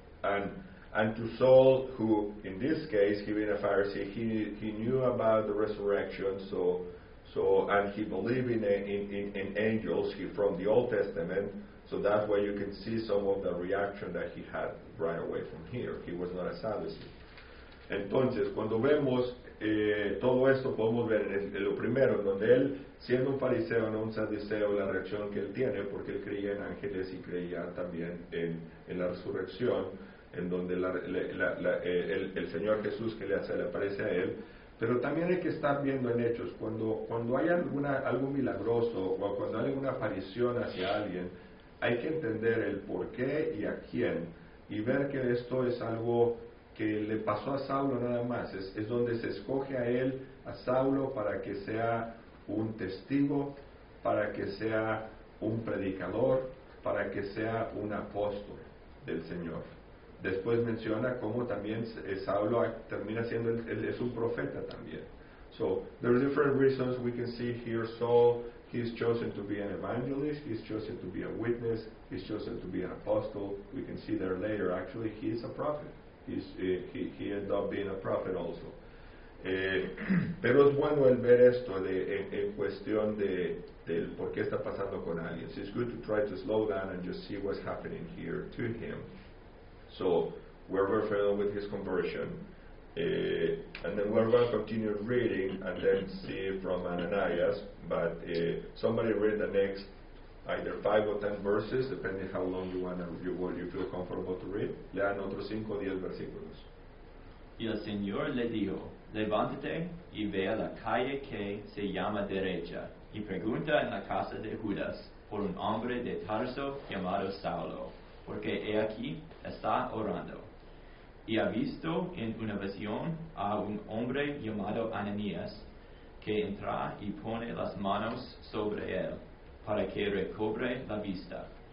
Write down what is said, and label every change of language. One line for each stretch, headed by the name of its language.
English: And to Saul, who in this case, he being a Pharisee, he knew about the resurrection, so So, and he believed in angels from the Old Testament. So that way you can see some of the reaction that he had right away from here. He was not a Sadducee.
Spanish: Entonces, cuando vemos todo esto, podemos ver en lo primero, donde él, siendo un fariseo, no un saduceo, la reacción que él tiene, porque él creía en ángeles y creía también en la resurrección, en donde el Señor Jesús que le aparece a él. Pero también hay que estar viendo en hechos, cuando hay algo milagroso, o cuando hay alguna aparición hacia alguien, hay que entender el por qué y a quién, y ver que esto es algo que le pasó a Saulo nada más. Es donde se escoge a él, a Saulo, para que sea un testigo, para que sea un predicador, para que sea un apóstol del Señor. Después menciona cómo también Saulo termina siendo es un profeta también.
English: So, there are different reasons we can see here. Saul, he's chosen to be an evangelist, he's chosen to be a witness, he's chosen to be an apostle. We can see there later, actually, he is a prophet. He ended up being a prophet also.
Spanish: Pero es bueno el ver esto en cuestión de por qué está pasando con alguien.
English: So it's good to try to slow down and just see what's happening here to him. So, we're very familiar with his conversion. And then we're going to continue reading and then see from Ananias. But somebody read the next either 5 or 10 verses, depending how long you want to, you feel comfortable to read.
Spanish: Lean otros 5 o 10 versículos. Y el Señor le dijo, levántate y ve a la calle que se llama derecha y pregunta en la casa de Judas por un hombre de Tarso llamado Saulo. Porque he aquí, está orando. Y ha visto en una visión a un hombre llamado Ananías, que entra y pone las manos sobre él, para que recobre la vista.